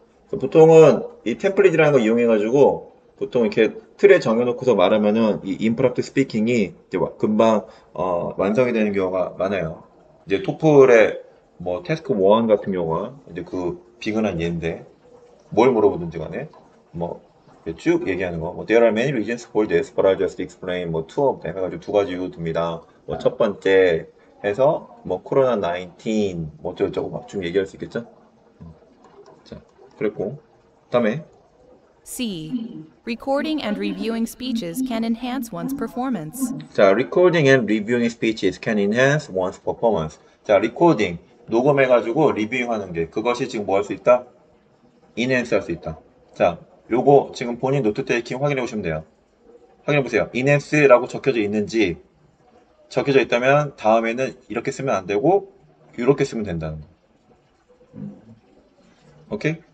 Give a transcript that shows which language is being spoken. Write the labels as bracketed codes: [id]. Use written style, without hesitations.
[ko] 보통은 이 템플릿이라는 걸 이용해가지고 보통 이렇게 틀에 정해놓고서 말하면은 이 임프롬프트 스피킹이 이제 금방 완성이 되는 경우가 많아요. 이제 토플의 뭐 태스크 1 같은 경우가 이제 그 비근한 예인데 뭘 물어보든지 간에 뭐쭉 얘기하는 거. [en] 뭐, There are many reasons for this, but I'll just explain, 뭐, two of them. [ko] 해가지고 두 가지 이유 듭니다. 뭐, 첫 번째 해서, 뭐, 코로나 19, 뭐, 어쩌고저쩌고 막쭉 얘기할 수 있겠죠? 자, 그랬고. 다음에. C. [en] Recording and reviewing speeches can enhance one's performance. 자, recording and reviewing speeches can enhance one's performance. 자, recording. [ko] 녹음해가지고 리뷰하는 게. 그것이 지금 뭐할수 있다? enhance 할수 있다. 자. 요거 지금 본인 노트테이킹 확인해 보시면 돼요. 확인해 보세요. enhance라고 적혀져 있는지 적혀져 있다면 다음에는 이렇게 쓰면 안 되고 이렇게 쓰면 된다는 거. 오케이?